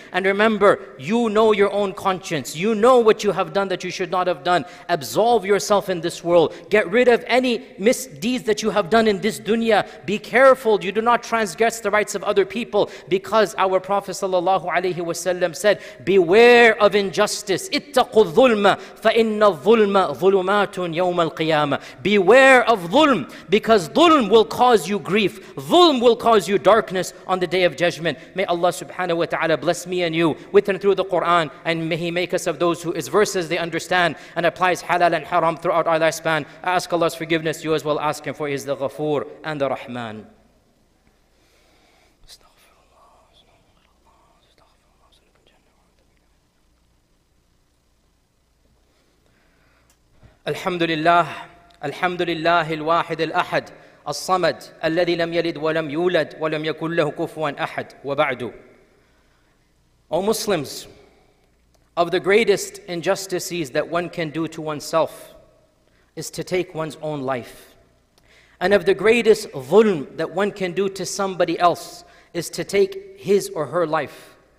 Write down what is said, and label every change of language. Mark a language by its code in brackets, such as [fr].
[en] And remember, you know your own conscience. You know what you have done that you should not have done. Absolve yourself in this world. Get rid of any misdeeds that you have done in this dunya. Be careful. You do not transgress the rights of other people, because our Prophet sallallahu alaihi wasallam said, beware of injustice. [ar] اتقوا الظلم فإن الظلم ظلمات يوم القيامة. [en] Beware of ظلم, because dhulm will cause you grief. Dhulm will cause you darkness on the day of judgment. May Allah subhanahu wa ta'ala bless me and you with and through the Quran. And may He make us of those who is verses they understand and applies halal and haram throughout our lifespan. I ask Allah's forgiveness. You as well ask Him, for He is the Ghafoor and the Rahman. Alhamdulillah. [ar] الحمد لله الواحد الأحد الصمد الذي لم يلد ولم يولد ولم يكن له كفوا أحد وبعد. [en] O Muslims, of the greatest injustices that one can do to oneself is to take one's own life. And of the greatest ظلم that one can do to somebody else is to take his or her life.